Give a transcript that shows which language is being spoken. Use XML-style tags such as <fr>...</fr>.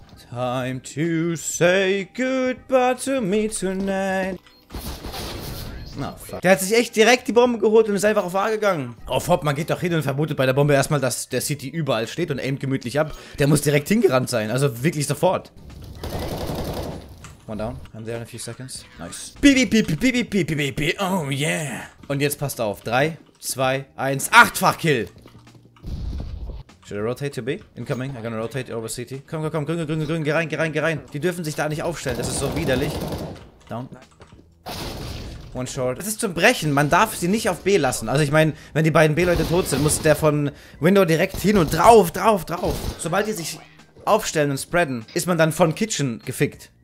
<en>Time to say goodbye to me tonight.</en> <de>Na, fuck. Der hat sich echt direkt die Bombe geholt und ist einfach auf A gegangen. Auf Hop, man geht doch hin und vermutet bei der Bombe erstmal, dass der City überall steht und aimt gemütlich ab. Der muss direkt hingerannt sein, also wirklich sofort.</de> <en>One down, I'm there in a few seconds. Nice. Beep, beep, beep, beep, beep, beep, beep, beep.</en> <de>Oh yeah. Und jetzt passt auf. 3, 2, 1, 8-fach Kill.</de> <en>Should I rotate to B? Incoming, I'm gonna rotate over City.</en> <de>Komm, komm, komm, grün, geh rein, geh rein, geh rein. Die dürfen sich da nicht aufstellen, das ist so widerlich. Down.</de> <en>One short.</en> <de>Das ist zum Brechen, man darf sie nicht auf B lassen. Also ich meine, wenn die beiden B-Leute tot sind, muss der von Window direkt hin und drauf, drauf, drauf. Sobald die sich aufstellen und spreaden, ist man dann von Kitchen gefickt.</de>